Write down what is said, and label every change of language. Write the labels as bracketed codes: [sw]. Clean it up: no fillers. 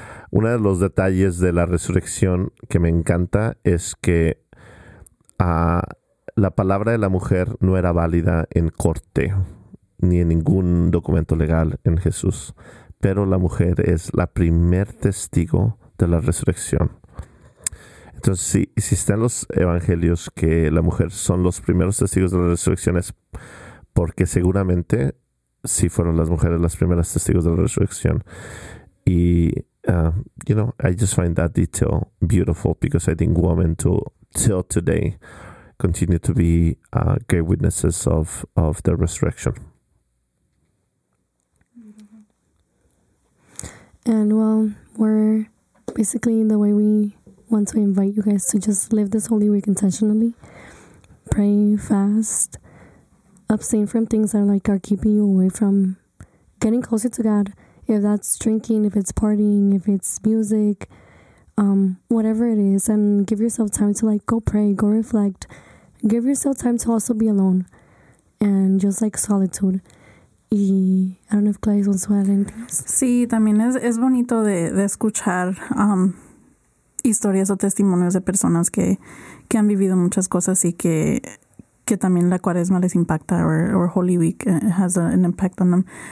[es] Uno de los detalles de la resurrección que me encanta es que la palabra de la mujer no era válida en corte ni en ningún documento legal en Jesús, pero la mujer es la primer testigo de la resurrección. Entonces, si está en los evangelios que la mujer son los primeros testigos de la resurrección, es porque seguramente sí fueron las mujeres las primeras testigos de la resurrección. [en] Y, you know, I just find that detail beautiful because I think women till today continue to be great witnesses of the resurrection. And, well, we're basically in the way we... want to invite you guys to just live this Holy Week intentionally. Pray, fast, abstain from things that like are keeping you away from getting closer to God. If that's drinking, if it's partying, if it's music, whatever it is, and give yourself time to like go pray, go reflect. Give yourself time to also be alone and just like solitude. Y I don't know if Clay wants to add anything else. [es] Sí, también es bonito de escuchar historias o testimonios de personas que han vivido muchas cosas y que también la cuaresma les impacta [en] or Holy Week has an impact on them.